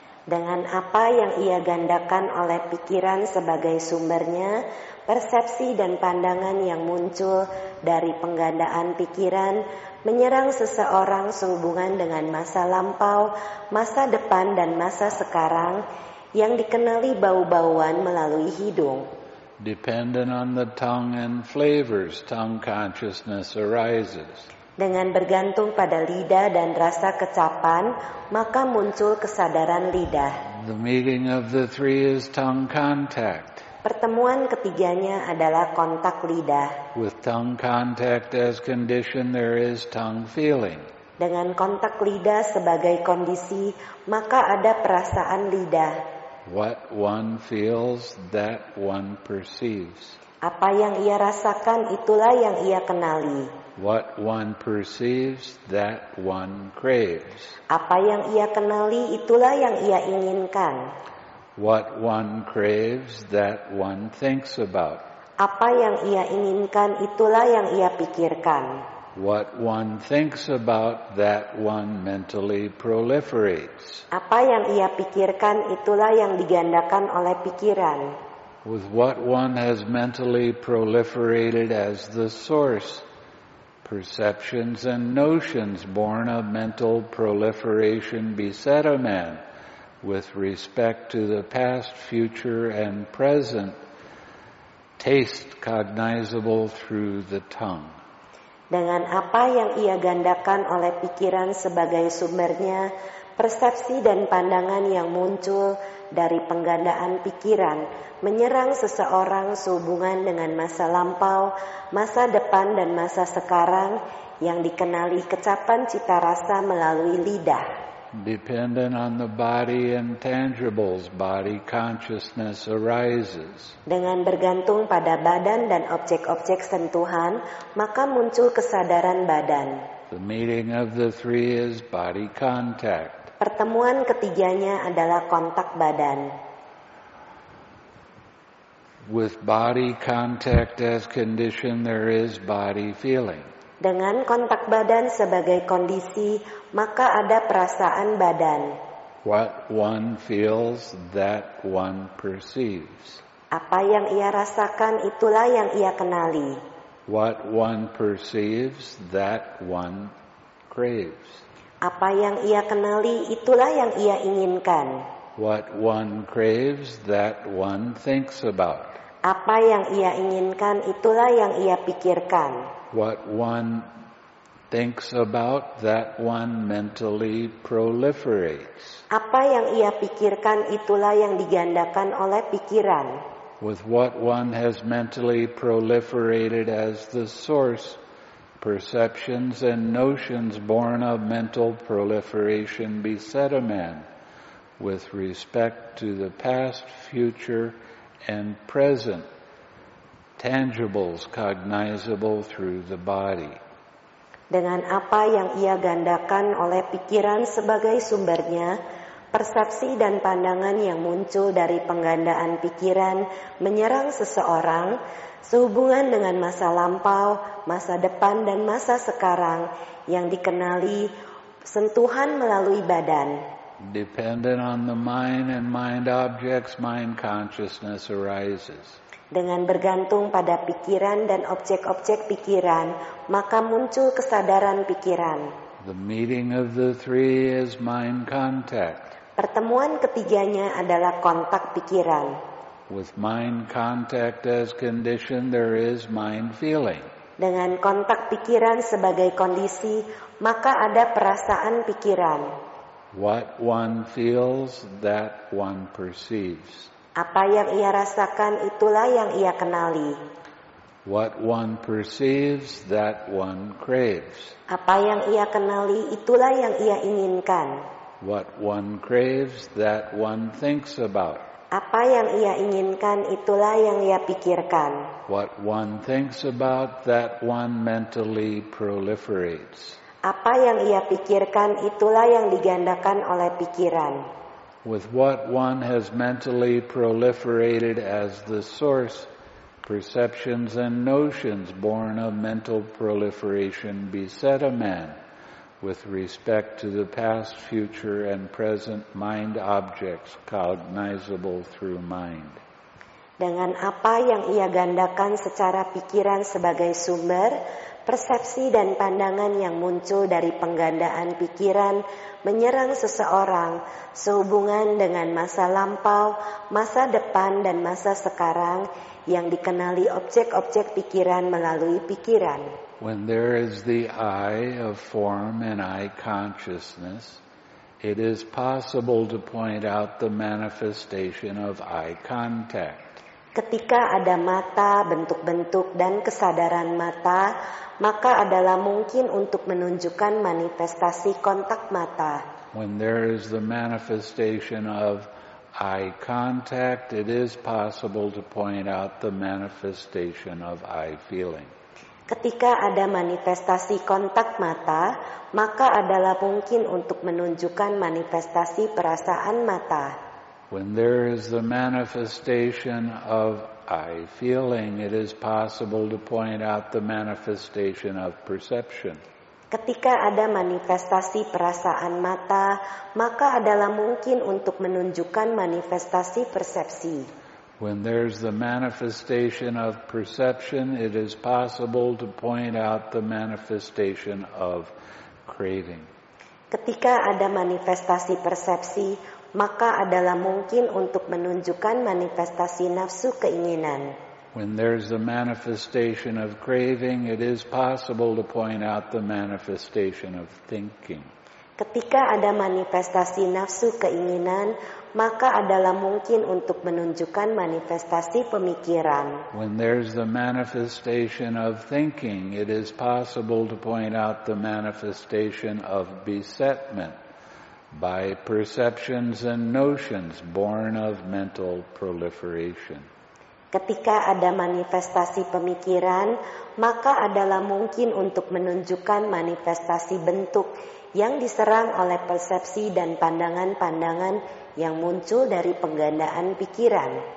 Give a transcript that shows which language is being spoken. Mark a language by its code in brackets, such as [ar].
[id] Dengan apa yang ia gandakan oleh pikiran sebagai sumbernya, persepsi dan pandangan yang muncul dari penggandaan pikiran menyerang seseorang sehubungan dengan masa lampau, masa depan, dan masa sekarang yang dikenali bau-bauan melalui hidung. [en] Dependent on the tongue and flavors, tongue consciousness arises. [id] Dengan bergantung pada lidah dan rasa kecapan, maka muncul kesadaran lidah. [en] The meeting of the three is tongue contact. [id] Pertemuan ketiganya adalah kontak lidah. [en] With tongue contact as condition, there is tongue feeling. [id] Dengan kontak lidah sebagai kondisi, maka ada perasaan lidah. [en] What one feels, that one perceives. [id] Apa yang ia rasakan, itulah yang ia kenali. [en] What one perceives, that one craves. [id] Apa yang ia kenali, itulah yang ia inginkan. [en] What one craves, that one thinks about. [id] Apa yang ia inginkan, itulah yang ia pikirkan. [en] What one thinks about, that one mentally proliferates. [id] Apa yang ia pikirkan, itulah yang digandakan oleh pikiran. [en] With what one has mentally proliferated as the source, perceptions and notions born of mental proliferation beset a man with respect to the past, future, and present, taste cognizable through the tongue. [id] Dengan apa yang ia gandakan oleh pikiran sebagai sumbernya, persepsi dan pandangan yang muncul dari penggandaan pikiran menyerang seseorang sehubungan dengan masa lampau, masa depan, dan masa sekarang yang dikenali kecapan cita rasa melalui lidah. [en] Dependent on the body and tangibles, body consciousness arises. [id] Dengan bergantung pada badan dan objek-objek sentuhan, maka muncul kesadaran badan. [en] The meeting of the three is body contact. [id] Pertemuan ketiganya adalah kontak badan. [en] With body contact as condition, there is body feeling. [id] Dengan kontak badan sebagai kondisi, maka ada perasaan badan. [en] What one feels, that one perceives. [id] Apa yang ia rasakan, itulah yang ia kenali. [en] What one perceives, that one craves. [id] Apa yang ia kenali, itulah yang ia inginkan. [en] What one craves, that one thinks about. [id] Apa yang ia inginkan, itulah yang ia pikirkan. [en] What one thinks about, that one mentally proliferates. [id] Apa yang ia pikirkan, itulah yang digandakan oleh pikiran. [en] with what one has mentally proliferated as the source, perceptions and notions born of mental proliferation beset a man with respect to the past, future, and present tangibles cognizable through the body. [id] Dengan apa yang ia gandakan oleh pikiran sebagai sumbernya, persepsi dan pandangan yang muncul dari penggandaan pikiran menyerang seseorang sehubungan dengan masa lampau, masa depan, dan masa sekarang yang dikenali sentuhan melalui badan. [en] Dependent on the mind and mind objects, mind consciousness arises. [id] Dengan bergantung pada pikiran dan objek-objek pikiran, maka muncul kesadaran pikiran. [en] The meeting of the three is mind contact. [id] Pertemuan ketiganya adalah kontak pikiran. [en] With mind contact as condition, there is mind feeling. [id] Dengan kontak pikiran sebagai kondisi, maka ada perasaan pikiran. [en] What one feels, that one perceives. [id] Apa yang ia rasakan, itulah yang ia kenali. [en] What one perceives, that one craves. [id] Apa yang ia kenali, itulah yang ia inginkan. [en] What one craves, that one thinks about. [id] Apa yang ia inginkan, itulah yang ia pikirkan. [en] What one thinks about, that one mentally proliferates. [id] Apa yang ia pikirkan, itulah yang digandakan oleh pikiran. [en] With what one has mentally proliferated as the source, perceptions and notions born of mental proliferation beset a man with respect to the past, future, and present mind objects cognizable through mind. [id] Dengan apa yang ia gandakan secara pikiran sebagai sumber, persepsi dan pandangan yang muncul dari penggandaan pikiran menyerang seseorang sehubungan dengan masa lampau, masa depan, dan masa sekarang yang dikenali objek-objek pikiran melalui pikiran. [en] When there is the I of form and I consciousness, it is possible to point out the manifestation of I contact. [id] Ketika ada mata, bentuk-bentuk, dan kesadaran mata, maka adalah mungkin untuk menunjukkan manifestasi kontak mata. [en] When there is the manifestation of eye contact, it is possible to point out the manifestation of eye feeling. [id] Ketika ada manifestasi kontak mata, maka adalah mungkin untuk menunjukkan manifestasi perasaan mata. [en] When there is the manifestation of I feeling, it is possible to point out the manifestation of perception. [id] Ketika ada manifestasi perasaan mata, maka adalah mungkin untuk menunjukkan manifestasi persepsi. [en] When there is the manifestation of perception, it is possible to point out the manifestation of craving. [id] Ketika ada manifestasi persepsi, maka adalah mungkin untuk menunjukkan manifestasi nafsu keinginan. [en] When there's the manifestation of craving, it is possible to point out the manifestation of thinking. [id] Ketika ada manifestasi nafsu keinginan, maka adalah mungkin untuk menunjukkan manifestasi pemikiran. [en] When there's the manifestation of thinking, it is possible to point out the manifestation of besetment by perceptions and notions born of mental proliferation. [id] Ketika ada manifestasi pemikiran, maka adalah mungkin untuk menunjukkan manifestasi bentuk yang diserang oleh persepsi dan pandangan-pandangan yang muncul dari penggandaan pikiran.